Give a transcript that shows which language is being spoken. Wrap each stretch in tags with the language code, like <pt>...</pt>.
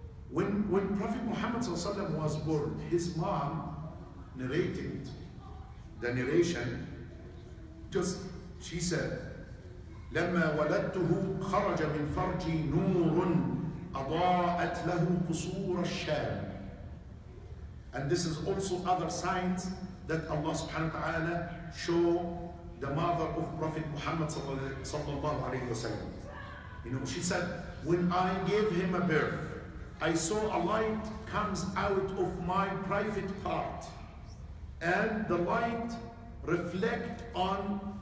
<en>When Prophet Muhammad ﷺ was born, his mom narrated the narration. Just she said,</en> <ar>لما ولدته خرج من فرجي نور أضاءت له قصور الشام.</ar> <en>And this is also other signs that Allah subhanahu wa ta'ala show the mother of Prophet Muhammad sallallahu alayhi wa sallam. You know, she said, when I gave him a birth, I saw a light comes out of my private part, and the light reflect on</en>